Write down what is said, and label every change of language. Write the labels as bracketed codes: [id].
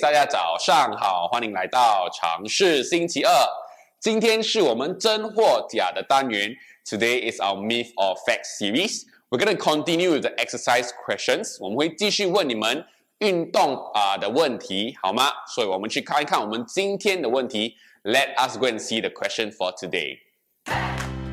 [zh] 大家早上好，欢迎来到尝试星期二。今天是我们真或假的单元。 [en] Today is our Myth or Fact series. We're going to continue with the exercise questions. [zh] 我们会继续问你们运动的问题，好吗？所以我们去看一看我们今天的问题。 [en] Let us go and see the question for today.